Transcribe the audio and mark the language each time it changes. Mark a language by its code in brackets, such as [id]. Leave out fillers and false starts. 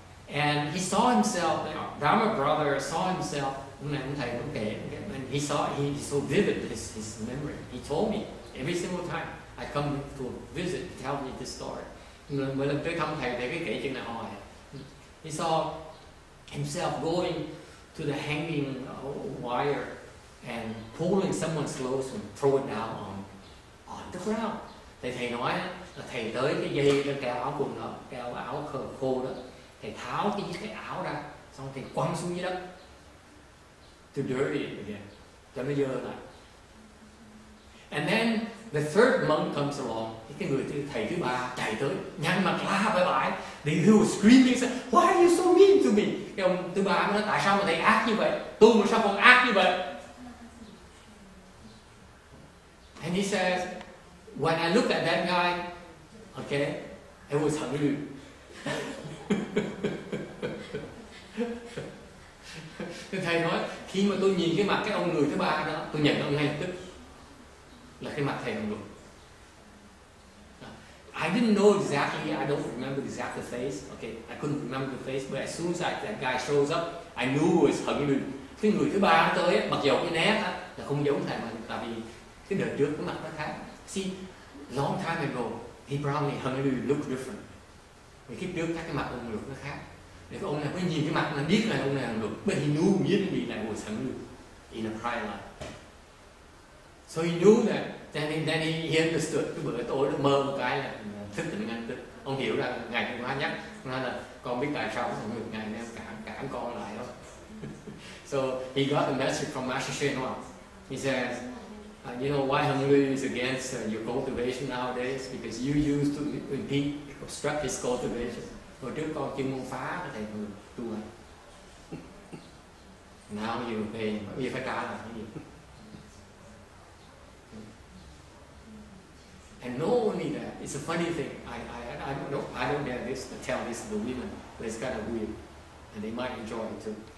[en] And he saw himself, Dharma brother saw himself, and he so vivid his memory. He told me every single time I come to visit, tell me this story. [vi] Mỗi lần tới thăm thầy, thầy cứ kể chuyện này hoài. [en] He saw himself going to the hanging wire and pulling someone's clothes and throw it down on the ground. [vi] Thầy nói là thầy tới cái dây đó, cái áo quần đó, cái áo khô đó, thầy tháo cái áo ra, xong thầy quăng xuống dưới đất. [en] To dirty it again. [vi] Cho nó dơ lại. [en] And then the third monk comes along. [vi] Cái người thầy thứ ba chạy tới, nhăn mặt la bai bai. [en] He was screaming, said, "Why are you so mean to me?" [vi] Cái ông thứ ba nói, "Tại sao mà thầy ác như vậy? Tôi mà sao còn ác như vậy?" [en] And he says, "When I looked at that guy, okay, it was Hằng Lưu." [vi] Thầy nói, khi mà tôi nhìn cái mặt cái ông người thứ ba đó, tôi nhận ông ngay lập tức là cái mặt thầy Hằng Lưu. [en] I didn't know exactly, I don't remember exactly the face, okay, I couldn't remember the face, but as soon as that guy shows up, I knew it was Hằng Lưu. [vi] Cái người thứ ba tới, mặc dù cái nét là không giống thầy, mà tại vì cái đời trước cái mặt nó khác. [en] See, long time ago, he probably Hằng Lưu looked different. [vi] Vì khi trước các cái mặt ông Lưu nó khác. Vì ông này mới nhìn cái mặt, nó biết là ông này Hằng Lưu, [en] but he knew immediately that it was Hằng Lưu in a prior life. So he knew that. Then he understood. [vi] Cái bữa tối mơ một cái là thức tỉnh ngay tức. Ông hiểu rằng ngày cũng hóa nhắc. Nói là con biết tại sao không được ngày nên cản con lại đó. [en] So he got the message from Master Shenhua. He says, "You know why Hằng Lưu is against your cultivation nowadays? Because you used to impede, obstruct his cultivation. [vi] Hồi trước con chuyên môn phá cái thầy người tu hành. [en] Now you pay, you [vi] phải trả lại cái gì?" [en] And not only that, it's a funny thing. I don't dare this to tell this to the women, but it's kind of weird, and they might enjoy it too.